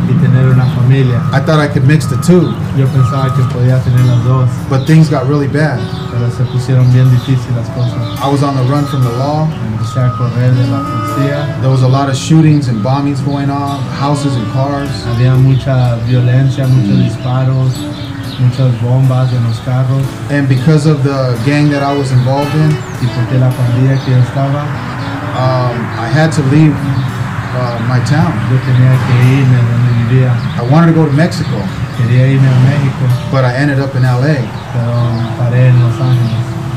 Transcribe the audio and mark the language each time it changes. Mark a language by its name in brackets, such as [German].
[Spanish] Y tener una familia. [English] I thought I could mix the two. [Spanish] Yo pensaba que podía tener las dos. [English] But things got really bad. [Spanish] Pero se pusieron bien difíciles las cosas. [English] I was on the run from the law. [Spanish] Empecé a correr de la policía. [English] There was a lot of shootings and bombings going on, houses and cars. [Spanish] Había mucha violencia, muchos disparos, muchas bombas en los carros. [English] And because of the gang that I was involved in, [Spanish] y porque la pandilla que estaba, [English] I had to leave my town. [Spanish] Yo tenía que irme donde vivía. [English] I wanted to go to Mexico. [Spanish] Quería irme a México. [English] But I ended up in L.A. [Spanish] Pero paré en Los Ángeles.